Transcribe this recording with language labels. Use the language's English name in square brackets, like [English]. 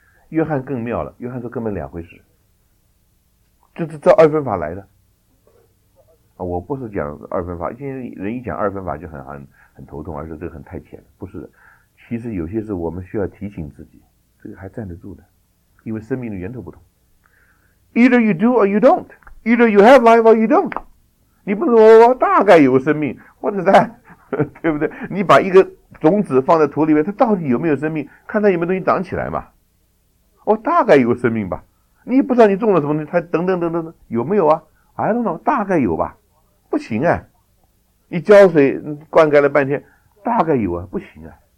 [Chinese] 约翰更妙了，约翰说根本两回事，这是照二分法来的。我不是讲二分法，今天人一讲二分法就很头痛，而且这个很太浅了，不是。其实有些事我们需要提醒自己，这个还站得住的，因为生命的源头不同。 [English] Either you do or you don't. Either you have life or you don't. [Chinese] 你不说我大概有生命，或者在对不对？你把一个种子放在土里面，它到底有没有生命，看它有没有东西长起来嘛。哦，大概有生命吧，你不知道你种了什么东西，它等等等等的有没有啊， [English] I don't know， [Chinese] 大概有吧。不行啊，你浇水灌溉了半天，大概有啊，不行啊。